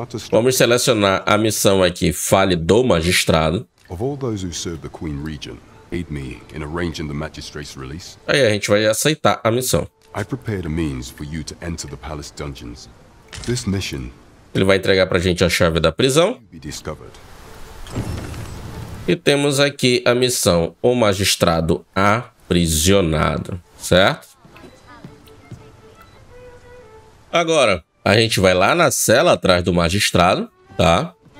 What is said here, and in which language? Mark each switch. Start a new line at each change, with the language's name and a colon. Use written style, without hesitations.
Portuguese: Vamos selecionar a missão aqui, Fale do Magistrado.
English: Of all those who serve the Queen Regent, aid me in arranging the magistrate's release.
Portuguese: Aí a gente vai aceitar a missão.
English: I prepared a means for you to enter the palace dungeons. This mission.
Portuguese: Ele vai entregar pra gente a chave da prisão. E temos aqui a missão, o magistrado aprisionado, certo? Agora, a gente vai lá na cela atrás do magistrado, tá?